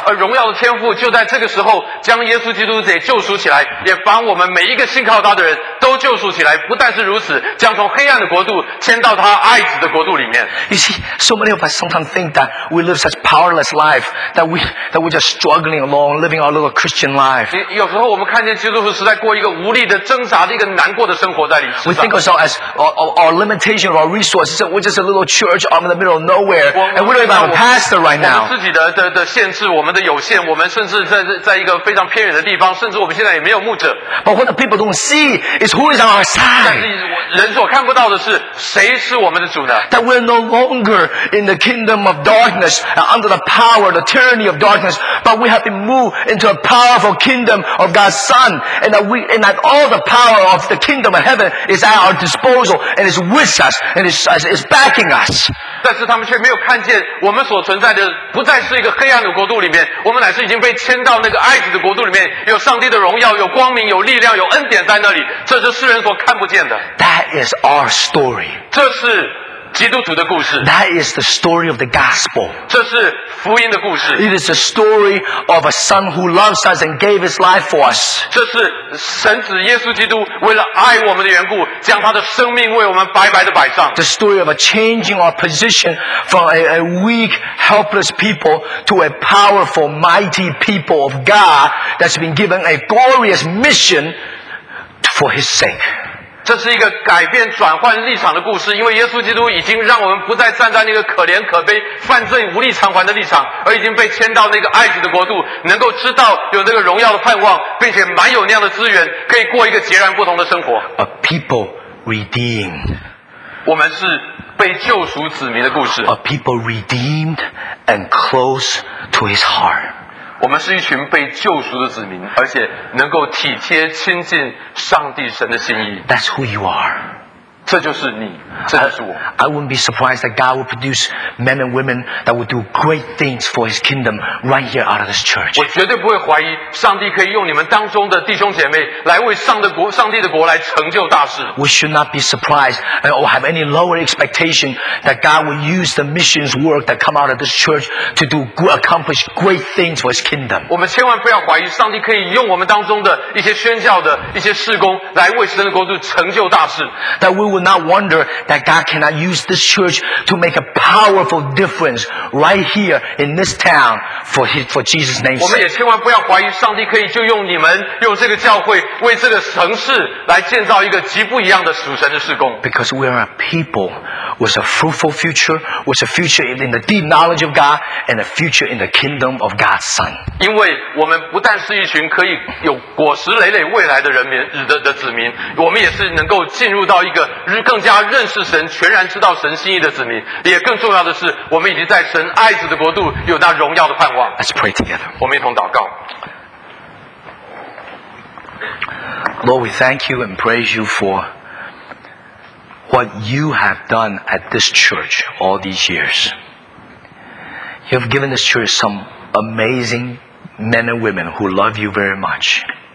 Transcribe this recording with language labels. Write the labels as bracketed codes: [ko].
[zh] 而荣耀的天父就在这个时候将耶稣基督给救赎起来，也把我们每一个信靠他的人都救赎起来，不但是如此，将从黑暗的国度迁到他爱子的国度里面。 [en] You see, so many of us sometimes think that we live such powerless life, that we just struggling along, living our little Christian life. [zh] 有时候我们看见基督徒实在过一个无力的挣扎的一个难过的生活在里面。 [en] We think of ourselves as our limitation of our resources. We're just a little church out in the middle of nowhere, and we don't even have a pastor right now. [zh] 我们自己的限制，我们的有限，我们甚至在一个非常偏远的地方，甚至我们现在也没有牧者。 [en] But what the people don't see is who is on our side. [zh] 但是人所看不到的是谁是我们的主呢 [en] ？That we're no longer in the kingdom of darkness under the power, the tyranny of darkness, but we have been moved into a powerful kingdom of God's Son, and that we and that all the power of the kingdom of heaven is at our disposal and is with us and is backing us. [zh] 但是他们却没有看见我们所存在的不再是一个黑暗的国度里面，我们乃是已经被迁到那个爱子的国度里面，有上帝的荣耀，有光明，有力量，有恩典在那里，这是世人所看不见的。 [en] That is our story. [zh] 这是基督徒的故事。 [en] That is the story of the gospel. [zh] 这是福音的故事。 [en] It is the story of a son who loves us and gave his life for us. [zh] 这是神子耶稣基督为了爱我们的缘故，将他的生命为我们白白的摆上。 [en] The story of a changing our position from a weak, helpless people to a powerful, mighty people of God that's been given a glorious mission for His sake. [zh] 这是一个改变转换立场的故事，因为耶稣基督已经让我们不再站在那个可怜可悲犯罪无力偿还的立场，而已经被迁到那个爱子的国度，能够知道有那个荣耀的盼望，并且满有那样的资源，可以过一个截然不同的生活。 [en] A people redeemed. [zh] 我们是被救赎子民的故事。 [en] A people redeemed and close to his heart. [zh] 我们是一群被救赎的子民，而且能够体贴亲近上帝神的心意。 [en] That's who you are. [zh] 这就是你，这就是我。 [en] I wouldn't be surprised that God will produce men and women that will do great things for His kingdom right here out of this church. [zh] 我绝对不会怀疑上帝可以用你们当中的弟兄姐妹来为上帝的国来成就大事。 [en] We should not be surprised or have any lower expectation that God will use the missions work that come out of this church to do accomplish great things for His kingdom. [zh] 我们千万不要怀疑上帝可以用我们当中的一些宣教的一些事工来为神的国度成就大事。 [en] That we will not wonder that God cannot use this church to make a powerful difference right here in this town for Jesus' name's sake. [zh] 我们也千万不要怀疑上帝可以就用你们用这个教会为这个城市来建造一个极不一样的属神的事工。 [en] Because we are a people with a fruitful future, with a future in the deep knowledge of God, and a future in the kingdom of God's Son. [zh] 因为我们不但是一群可以有果实累累未来的人民的子民，我们也是能够进入到一个更加认识神、全然知道神心意的子民。也更重要的是，我们已经在神爱子的国度有那荣耀的盼望。 [en] Let's pray together. [zh] 我们一同祷告。 [en] Lord, we thank you and praise you for what you have done at this church all these years. You have given this church some amazing men and women who love you very much.